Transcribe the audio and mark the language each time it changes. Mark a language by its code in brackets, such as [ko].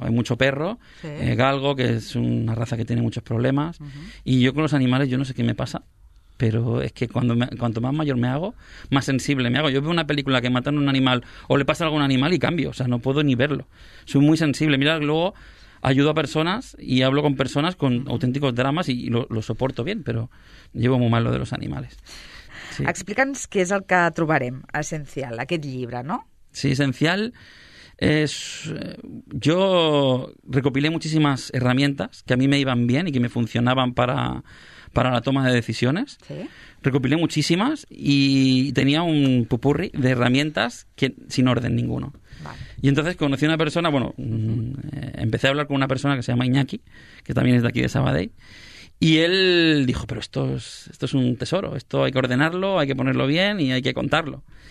[es] Hay mucho perro, sí, galgo, que es una raza que tiene muchos problemas, uh-huh, y yo con los animales yo no sé qué me pasa, pero es que cuanto más mayor me hago, más sensible me hago. Yo veo una película que matan a un animal o le pasa a algún animal y cambio, o sea, no puedo ni verlo. Soy muy sensible. Mira, luego ayudo a personas y hablo con personas con auténticos dramas y lo soporto bien, pero llevo muy mal lo de los animales. Sí. [ca] Explica'ns què és el que trobarem, Esencial, aquest llibre, no? [es] Sí, Esencial es... Yo recopilé muchísimas herramientas que a mí me iban bien y que me funcionaban para la toma de decisiones. ¿Sí? Recopilé muchísimas y tenía un pupurri de herramientas que sin orden ninguno. Vale. Y entonces conocí a una persona, bueno, uh-huh, empecé a hablar con una persona que se llama Iñaki, que también es de aquí de Sabadell, y él dijo, pero esto es un tesoro, esto hay que ordenarlo, hay que ponerlo bien y hay que contarlo.